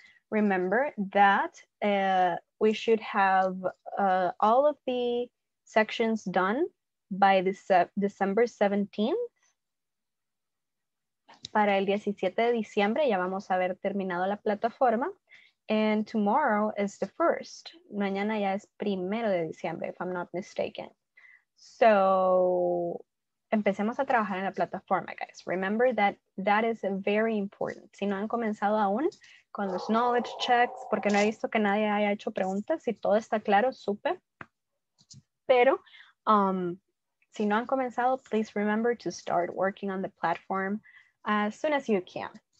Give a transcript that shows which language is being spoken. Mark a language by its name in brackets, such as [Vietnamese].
[English] Remember that we should have all of the sections done by December 17th. [Spanish] Para el 17 de diciembre ya vamos a haber terminado la plataforma. [English] And tomorrow is the first. [Spanish] Mañana ya es primero de diciembre, [English] if I'm not mistaken. [Spanish] So, empecemos a trabajar en la plataforma, guys. [English] Remember that that is very important. [Spanish] Si no han comenzado aún con los knowledge checks, porque no he visto que nadie haya hecho preguntas, si todo está claro, super. Pero, si no han comenzado, [English] please remember to start working on the platform as soon as you can.